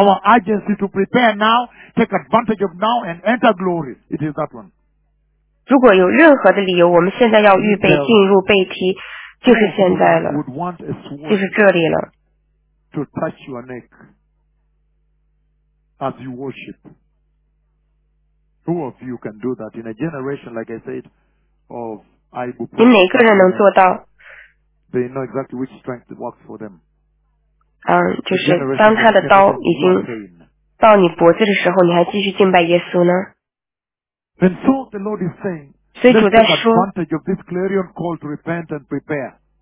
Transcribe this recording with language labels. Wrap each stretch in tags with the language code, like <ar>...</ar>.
<en>Our urgency to prepare now, take advantage of now, and enter glory. It is that one.</en> <zh>如果有任何的理由，我们现在要预备进入背梯，就是现在了，就是这里了。</zh> <en>To touch your neck as you worship. Who of you can do that in a generation like I said of Ibuprofen?</en> <zh>你哪个人能做到？</zh> <en>They know exactly which strength works for them.</en> <zh>就是当他的刀已经到你脖子的时候，你还继续敬拜耶稣呢？</zh> <en>And so the Lord is saying,</en> <zh>所以主在说,</zh> <en>let's take advantage of this clarion call to repent and prepare.</en>